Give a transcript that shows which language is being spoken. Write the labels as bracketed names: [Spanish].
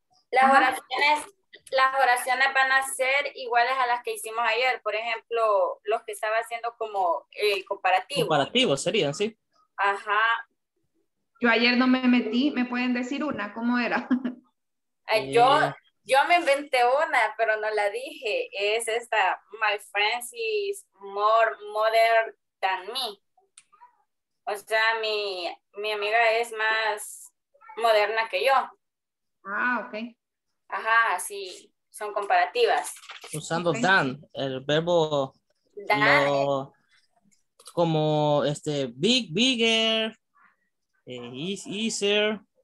[Spanish] Las oraciones van a ser iguales a las que hicimos ayer. Por ejemplo, los que estaba haciendo como el comparativo. Comparativo serían, sí. Ajá. Yo ayer no me metí, ¿me pueden decir una? ¿Cómo era? Yo me inventé una, pero no la dije. Es esta, [English] my friends is more modern than me. [Spanish] O sea, mi amiga es más moderna que yo. Ah, ok. Ajá, sí, son comparativas. Usando okay. Than, el verbo... Than. Como, este, bigger, is easier.